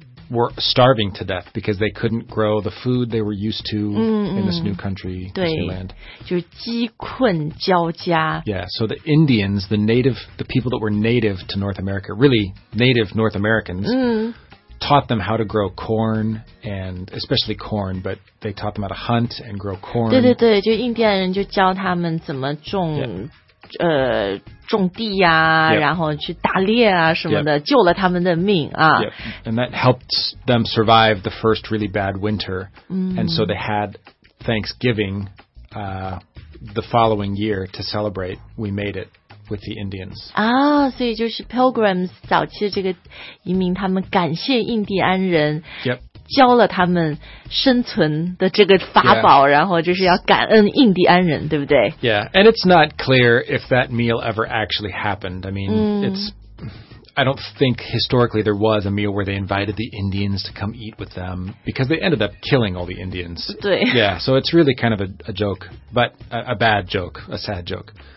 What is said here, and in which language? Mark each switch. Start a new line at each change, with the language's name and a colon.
English: were starving to death because they couldn't grow the food they were used to in this new country, this new land.
Chinese: 就是饥困交加。
English: Yeah, so the Indians, the native, the people that were native to North America, really native North Americans, taught them how to grow corn, and especially corn, but they taught them how to hunt and grow corn.
Chinese: 对对对，就印第安人就教他们怎么种、种地啊
English: yep.
Chinese: 然后去打猎啊什么的、yep. 救了他们的命啊、
English: yep. And that helped them survive the first really bad winter、And so they had Thanksgiving、the following year to celebrate we made it with the Indians
Chinese: 啊、所以就是 Pilgrims 早期的这个移民他们感谢印第安人、
English: yep.
Chinese: 教了他们生存的这个法宝、然后就是要感恩印第安人对不对
English: Yeah, and it's not clear if that meal ever actually happened. I mean,、it's... I don't think historically there was a meal where they invited the Indians to come eat with them because they ended up killing all the Indians.
Chinese: 对
English: Yeah, so it's really kind of a joke, but a bad joke, a sad joke.